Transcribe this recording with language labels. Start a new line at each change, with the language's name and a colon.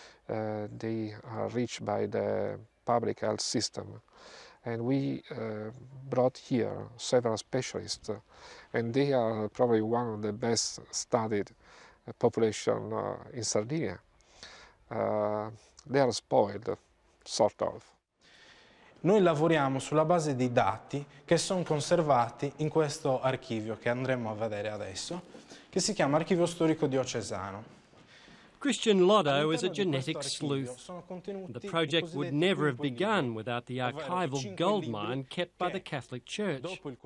English: They are reached by the public health system. And we brought here several specialists, and they are probably one of the best studied population in Sardinia. They are spoiled, sort of.
Italian: Noi lavoriamo sulla base dei dati che sono conservati in questo archivio che andremo a vedere adesso, che si chiama Archivio Storico Diocesano.
English: Christian Lotto is a genetic sleuth. The project would never have begun without the archival goldmine kept by the Catholic Church.